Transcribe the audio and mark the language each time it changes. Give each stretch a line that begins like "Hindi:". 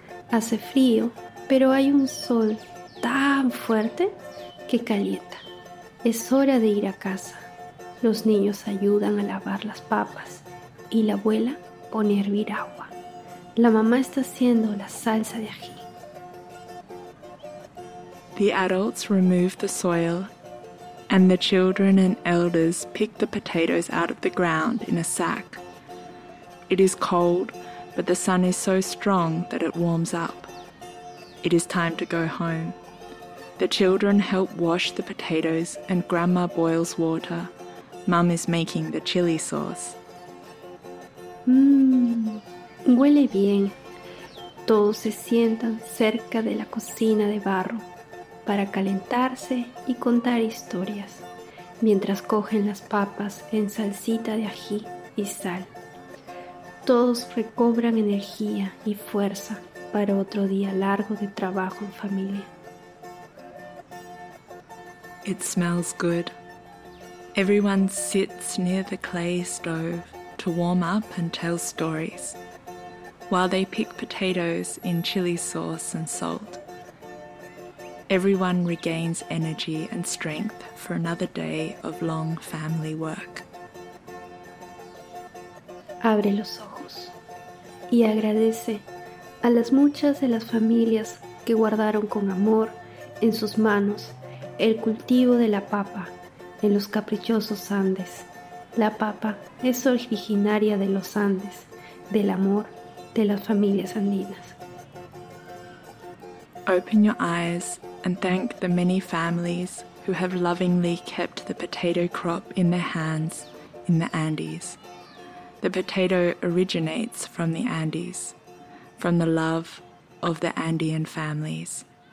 Spanish: Hace frío, pero hay un sol tan fuerte que calienta. Es hora de ir a casa. Los niños ayudan a lavar las papas y la abuela pone a hervir agua. La mamá está haciendo la salsa de ají.
English: The adults remove the soil. And the children and elders pick the potatoes out of the ground in a sack. It is cold, but the sun is so strong that it warms up. It is time to go home. The children help wash the potatoes and grandma boils water. Mum is making the chili sauce.
Spanish: Huele bien. Todos se sientan cerca de la cocina de barro. Para calentarse y contar historias, mientras cogen las papas en salsita de ají y sal. Todos recobran energía y fuerza para otro día largo de trabajo en familia.
English: It smells good. Everyone sits near the clay stove to warm up and tell stories, while they pick potatoes in chili sauce and salt. Everyone regains energy and strength for another day of long family work.
Spanish: Abre los ojos y agradece a las muchas de las familias que guardaron con amor en sus manos el cultivo de la papa en los caprichosos Andes. La papa es originaria de los Andes, del amor de las familias andinas.
English: Open your eyes and thank the many families who have lovingly kept the potato crop in their hands in the Andes. The potato originates from the Andes, from the love of the Andean families.